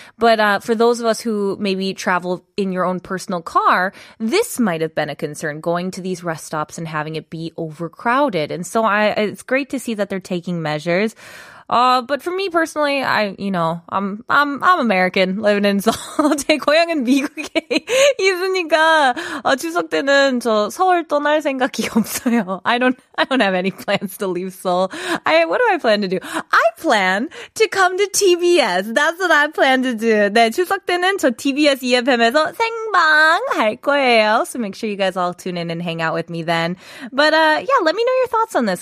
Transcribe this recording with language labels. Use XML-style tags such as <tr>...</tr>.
<en>But for those of us who maybe travel in your own personal car, this might have been a concern, going to these rest stops and having it be overcrowded. And so it's great to see that they're taking measures. But for me personally, I'm American living in Seoul.</en> <ko>제 고향은 미국에 있으니까 추석 때는 저 서울 떠날 생각이 없어요.</ko> <en>I don't have any plans to leave Seoul. What do I plan to do? I plan to come to TBS. That's what I plan to do.</en> <ko>네, 추석 때는 저 TBS EFM에서 생방 할 거예요.</ko> <en>So make sure you guys all tune in and hang out with me then. But yeah, let me know your thoughts on this.</en>